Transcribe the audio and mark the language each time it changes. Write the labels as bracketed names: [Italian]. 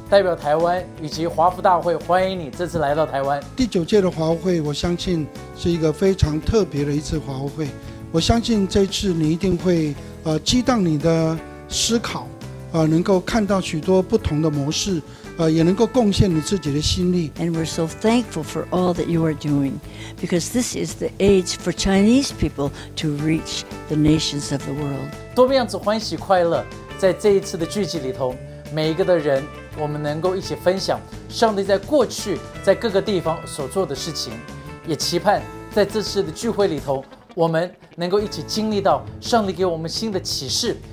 [Chinese] 代表台湾以及华福大会，欢迎你这次来到台湾。第九届的华会，我相信是一个非常特别的一次华会。我相信这次你一定会激荡你的思考，能够看到许多不同的模式，也能够贡献你自己的心力。 [English] And we're so thankful for all that you are doing, because this is the age for Chinese people to reach the nations of the world. [Chinese] 多面子欢喜快乐，在这一次的聚集里头，每一个的人，我们能够一起分享上帝在过去在各个地方所做的事情，也期盼在这次的聚会里头，我们能够一起经历到上帝给我们新的启示，